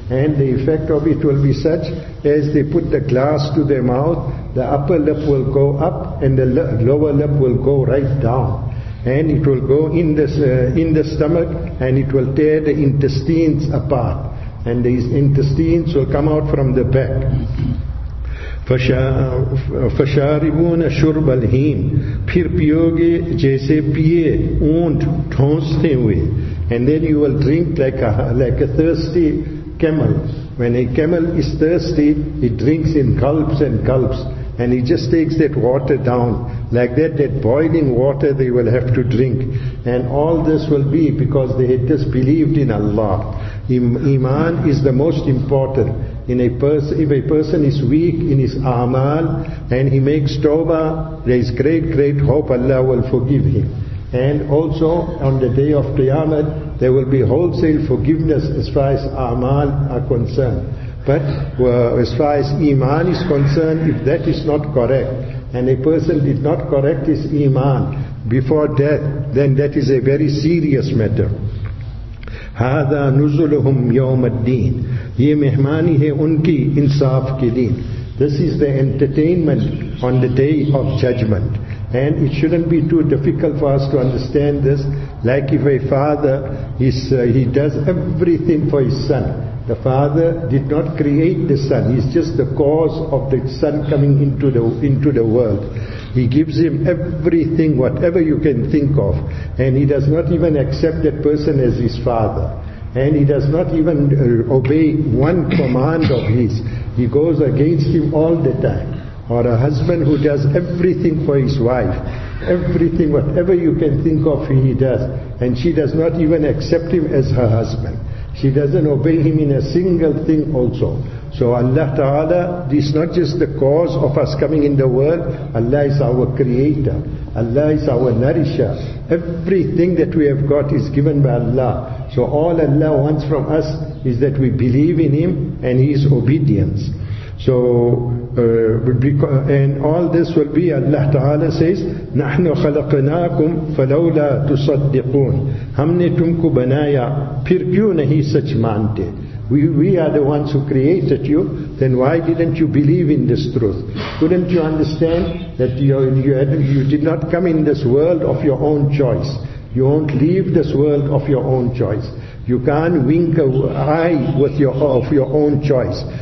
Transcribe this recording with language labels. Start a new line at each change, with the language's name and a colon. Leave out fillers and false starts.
English: And the effect of it will be such, as they put the glass to their mouth, the upper lip will go up and the lower lip will go right down. And it will go in the stomach, and it will tear the intestines apart. And these intestines will come out from the back.
Arabic: فَشَارِبُونَ شُرْبَ الْحِيمِ
Urdu: پھر پیوگے جیسے پیے اونٹ ٹھونستے ہوئے.
English: And then you will drink like a thirsty camel. When a camel is thirsty, it drinks in gulps and gulps, and he just takes that water down. Like that boiling water they will have to drink. And all this will be because they had disbelieved in Allah. Iman is the most important. If a person is weak in his amal and he makes tawbah, there is great, great hope Allah will forgive him. And also on the day of Qiyamah, there will be wholesale forgiveness as far as amal are concerned. But as far as Iman is concerned, if that is not correct, and a person did not correct his Iman before death, then that is a very serious matter.
Arabic: هَذَا نُزُلُهُمْ يَوْمَ الدِّينِ
Urdu: یہ مہمانی ہے ان کی انصاف کے دین.
English: This is the entertainment on the day of judgment. And it shouldn't be too difficult for us to understand this. Like if a father, he does everything for his son. The father did not create the son. He's just the cause of the son coming into the world. He gives him everything, whatever you can think of. And he does not even accept that person as his father. And he does not even obey one command of his. He goes against him all the time. Or a husband who does everything for his wife. Everything, whatever you can think of, he does. And she does not even accept him as her husband. She doesn't obey him in a single thing also. So Allah Ta'ala is not just the cause of us coming in the world. Allah is our creator. Allah is our nourisher. Everything that we have got is given by Allah. So all Allah wants from us is that we believe in him and his obedience. So, and all this will be, Allah Ta'ala says,
Arabic: نَحْنُ خَلَقْنَاكُمْ فَلَوْلَا تُصَدِّقُونَ
Urdu: ہم نے تم کو بنایا پھر کیوں نہیں سچ مانتے.
English: We are the ones who created you, then why didn't you believe in this truth? Couldn't you understand that you did not come in this world of your own choice? You won't leave this world of your own choice. You can't wink an eye of your own choice.